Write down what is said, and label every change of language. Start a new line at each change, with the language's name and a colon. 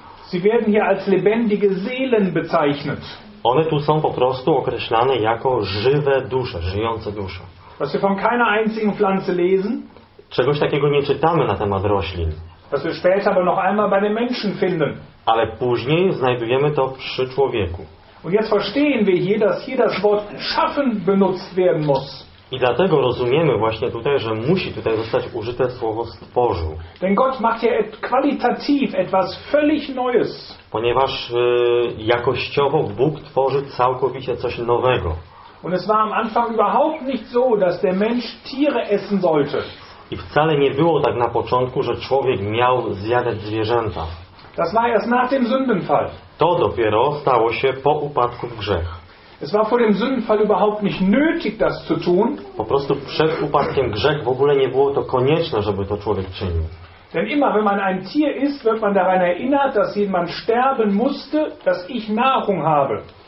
German: Sie werden hier als lebendige Seelen bezeichnet.
Polish: One tu są po prostu określane jako żywe dusze, żyjące dusze.
German: Was wir von keiner einzigen Pflanze lesen.
Polish: Czegoś takiego nie czytamy na temat roślin.
German: Was wir später aber noch einmal bei den Menschen finden.
Polish: Ale później znajdujemy to przy człowieku.
German: Und jetzt verstehen wir hier, dass hier das Wort schaffen benutzt werden muss.
Polish: I dlatego rozumiemy właśnie tutaj, że musi tutaj zostać użyte słowo stworzył.
German: Denn Gott macht ja qualitativ etwas völlig Neues.
Polish: Ponieważ jakościowo Bóg tworzy całkowicie coś nowego.
German: Und es war am Anfang überhaupt nicht so, dass der Mensch Tiere essen sollte.
Polish: I wcale nie było tak na początku, że człowiek miał zjadać zwierzęta.
German: Das war erst nach dem Sündenfall.
Polish: To dopiero stało się po upadku w grzech.
German: Es war vor dem Sündenfall überhaupt nicht nötig, das zu tun.
Polish: Po prostu przed upadkiem grzech w ogóle nie było to konieczne, żeby to człowiek czynił.
German: Denn immer, wenn man ein Tier isst, wird man daran erinnert, dass jemand sterben musste, dass ich Nahrung habe.